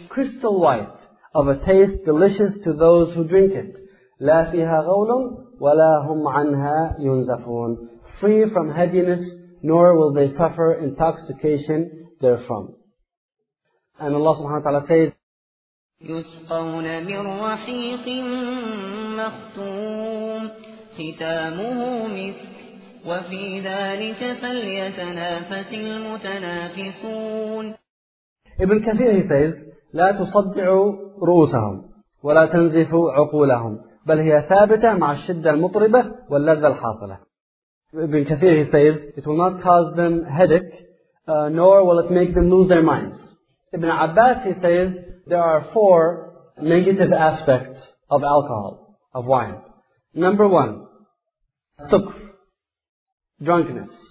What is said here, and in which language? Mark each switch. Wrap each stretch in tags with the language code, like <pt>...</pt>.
<en>Crystal white, of a taste delicious to those who drink it.</en> <ar>لا فيها غول ولا هم عنها ينزفون.</ar> <en>Free from heaviness, nor will they suffer intoxication therefrom. And Allah subhanahu wa ta'ala says,</en> <ar>يسقون من رحيق مختوم ختامه مسك وفي ذلك فليتنافس المتنافسون.</ar> <en>Ibn Kathir, he says,</en> <ar>لا تصدع رؤوسهم ولا تنزف عقولهم بل هي ثابتة مع الشدة المطربة واللذة الحاصلة.</ar> <en>Ibn Kathir, he says, it will not cause them headache, nor will it make them lose their minds. Ibn Abbas, he says, there are four negative aspects of alcohol, of wine. Number one, sukf, drunkenness.</en>